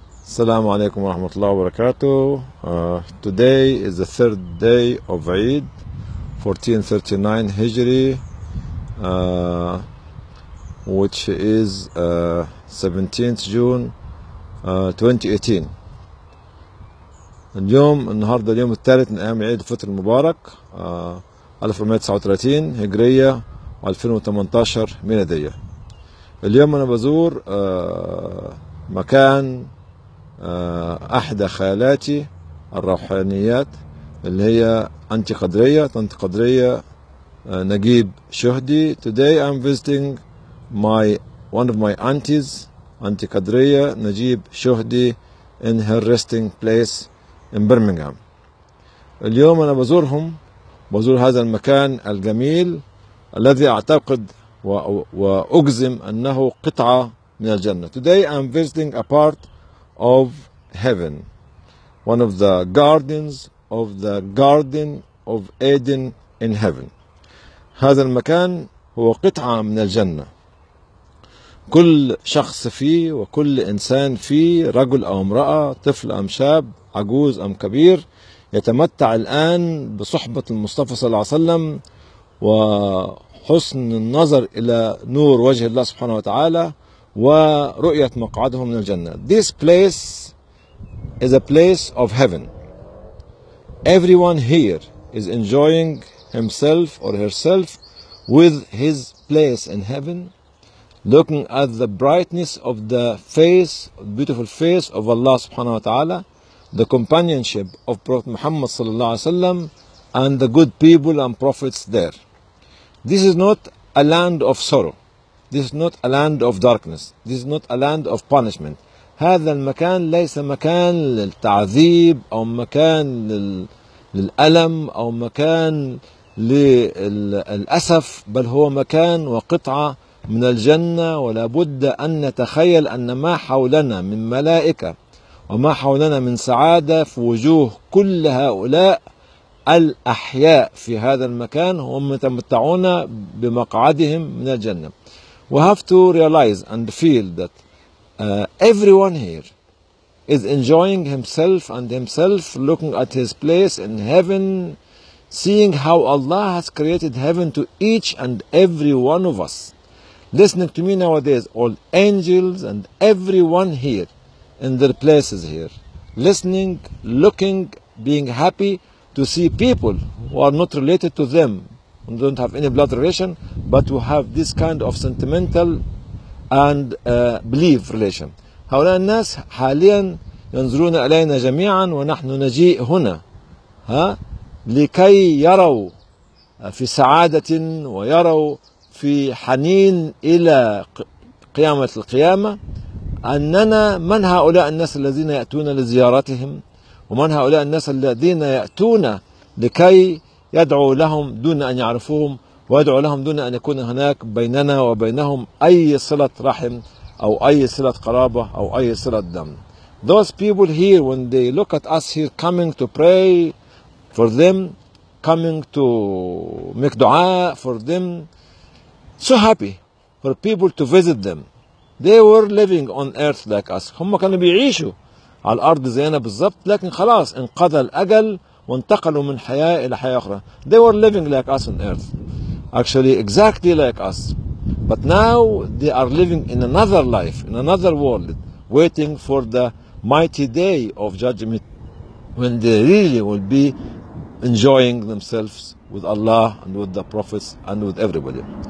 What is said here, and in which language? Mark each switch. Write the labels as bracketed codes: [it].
[ar] السلام عليكم ورحمة الله وبركاته. [en] Today is the third day of Eid, 1439 Hijri, which is 17th June 2018. [ar] اليوم النهاردة اليوم الثالث من أيام عيد الفطر المبارك 1439 هجرية و 2018 ميلادية. اليوم أنا بزور مكان أحدى خالاتي الروحانيات اللي هي أنت قدرية نجيب شهدي. [en] Today I'm visiting one of my aunties, أنت قدرية نجيب شهدي, in her resting place in Birmingham. [ar] اليوم أنا بزور هذا المكان الجميل الذي أعتقد وأجزم أنه قطعة من الجنة. [en] Today I'm visiting a part of heaven, one of the gardens of the Garden of Eden in heaven. [ar] هذا المكان هو قطعة من الجنة. كل شخص فيه وكل إنسان فيه, رجل أو امرأة, طفل أم شاب, عجوز أم كبير, يتمتع الآن بصحبة المصطفى صلى الله عليه وسلم وحسن النظر إلى نور وجه الله سبحانه وتعالى ورؤية مقعده من الجنة. [en] This place is a place of heaven. Everyone here is enjoying himself or herself with his place in heaven, looking at the brightness of the face, beautiful face of Allah subhanahu wa ta'ala, the companionship of Prophet Muhammad sallallahu alaihi wasallam, and the good people and prophets there. This is not a land of sorrow. This is not a land of darkness. This is not a land of punishment. [ar] هذا المكان ليس مكان للتعذيب أو مكان للألم أو مكان للأسف, بل هو مكان وقطعة من الجنة. ولا بد أن نتخيل أن ما حولنا من ملائكة وما حولنا من سعادة في وجوه كل هؤلاء الأحياء في هذا المكان, هم يتمتعون بمقعدهم من الجنة. [en] We have to realize and feel that everyone here is enjoying himself and himself, looking at his place in heaven, seeing how Allah has created heaven to each and every one of us. Listening to me nowadays, all angels and everyone here in their places here, listening, looking, being happy to see people who are not related to them, who don't have any blood relation, but who have this kind of sentimental and belief relation. [ar] هؤلاء الناس حاليا ينظرون إلينا جميعا ونحن نجيء هنا لكي يروا في سعادة ويروا في حنين إلى قيامة القيامة أننا من هؤلاء الناس الذين يأتون لزيارتهم, ومن هؤلاء الناس الذين يأتون لكي يدعو لهم دون أن يعرفوهم, ويدعو لهم دون أن يكون هناك بيننا وبينهم أي صلة رحم أو أي صلة قرابة أو أي صلة دم. [en] Those people here, when they look at us here coming to pray for them, coming to make dua for them, so happy for people to visit them. They were living on earth like us. [ar] هم كانوا بيعيشوا على الأرض زينا بالضبط, لكن خلاص انقضى الأجل وانتقلوا من حياة إلى حياة أخرى. [en] They were living like us on earth. Actually, exactly like us. But now they are living in another life, in another world, waiting for the mighty day of judgment, when they really will be enjoying themselves with Allah and with the prophets and with everybody.